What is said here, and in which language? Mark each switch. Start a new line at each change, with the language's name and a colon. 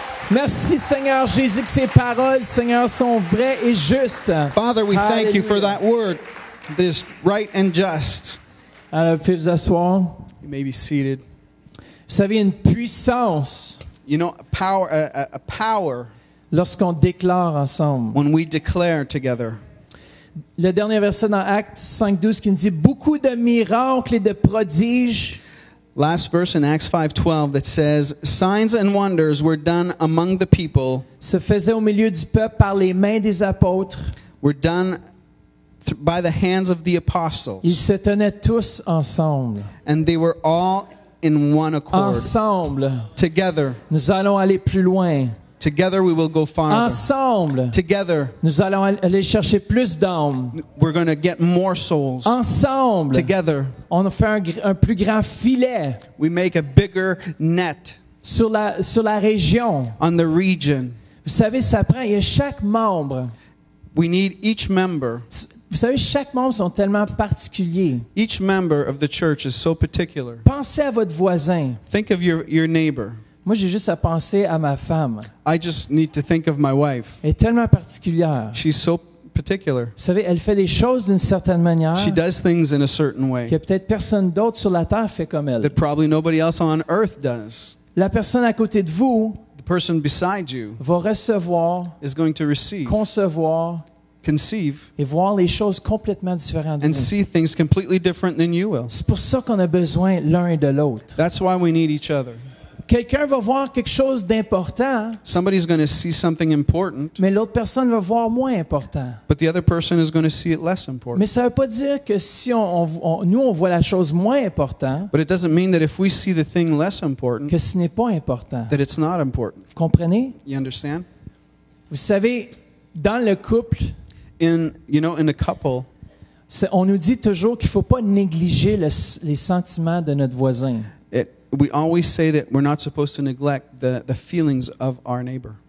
French: Merci Seigneur Jésus que ces paroles Seigneur sont vraies et justes.
English: Father, we thank you for that word that is right and just.
French: Alors, vous pouvez vous asseoir.
English: You may be seated.
French: Vous savez, une puissance.
English: You know, a power.
French: Lorsqu'on déclare ensemble.
English: When we declare together.
French: Le dernier verset dans Actes 5, 12 qui nous dit beaucoup de miracles et de prodiges.
English: Last verse in Acts 5, 12 that says, signs and wonders were done among the people.
French: Se faisaient au milieu du peuple par les mains des apôtres.
English: Were done by the hands of the apostles.
French: Ils se tenaient tous ensemble.
English: And they were all in one accord.
French: Ensemble.
English: Together.
French: Nous allons aller plus loin.
English: Together we will go farther.
French: Ensemble.
English: Together.
French: Nous allons aller chercher plus d'âmes.
English: We're going to get more souls.
French: Ensemble.
English: Together.
French: On va faire un plus grand filet.
English: We make a bigger net.
French: Sur la région.
English: On the region.
French: Vous savez, ça prend, il y a chaque membre.
English: We need each member.
French: Vous savez, chaque membre sont tellement particuliers.
English: Each member of the church is so particular.
French: Pensez à votre voisin.
English: Think of your neighbor.
French: Moi, j'ai juste à penser à ma femme.
English: I just need to think of my wife.
French: Elle est tellement particulière.
English: She's so particular.
French: Vous savez, elle fait les choses d'une certaine manière.
English: She does things in a certain way.
French: Que peut-être personne d'autre sur la terre fait comme elle.
English: That probably nobody else on earth does.
French: La personne à côté de vous.
English: The person beside you.
French: Va recevoir.
English: Is going to receive.
French: Concevoir.
English: Conceive
French: et voir les choses complètement différentes.
English: And see things completely different than you will.
French: C'est pour ça qu'on a besoin l'un de l'autre.
English: That's why we need each other.
French: Quelqu'un va voir quelque chose d'important.
English: Somebody's going to see something important.
French: Mais l'autre personne va voir moins important.
English: But the other person is going to see it less important.
French: Mais ça veut pas dire que si on voit la chose moins important.
English: But it doesn't mean that if we see the thing less important.
French: Que ce n'est pas important.
English: That it's not important.
French: Vous comprenez?
English: You understand?
French: Vous savez, dans le couple.
English: In a couple,
French: on nous dit toujours qu'il ne faut pas négliger les sentiments de notre voisin.
English: We always say that we're not supposed to neglect the feelings of our neighbor.